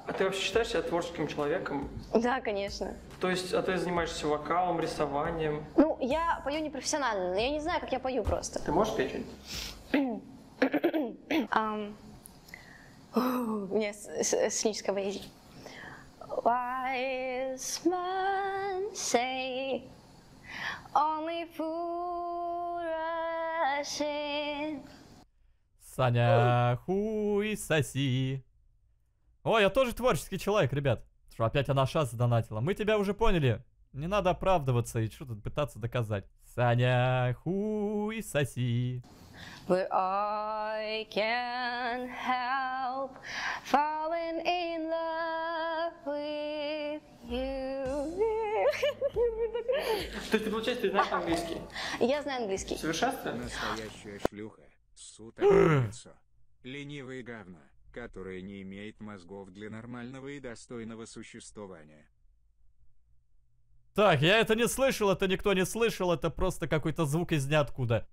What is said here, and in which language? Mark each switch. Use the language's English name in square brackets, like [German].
[Russian] А ты вообще считаешь себя творческим человеком? Да, конечно. То есть, а ты занимаешься вокалом, рисованием? Ну, я пою непрофессионально, я не знаю, как я пою просто. Ты можешь петь что-нибудь? У меня сценическая болезнь. [English] Wise men say only fool rushes. [Russian] Саня, хуй соси. О, я тоже творческий человек, ребят. Что, опять она шанс донатила. Мы тебя уже поняли. Не надо оправдываться и что тут пытаться доказать. Саня, хуй соси. [English] But I can't help falling in love with you. [Russian] То есть ты, получается, ты знаешь английский? Я знаю английский. Совершенство? Настоящая шлюха, сутка, ленивое говно, которое не имеет мозгов для нормального и достойного существования. Так, я это не слышал, это никто не слышал, это просто какой-то звук из ниоткуда.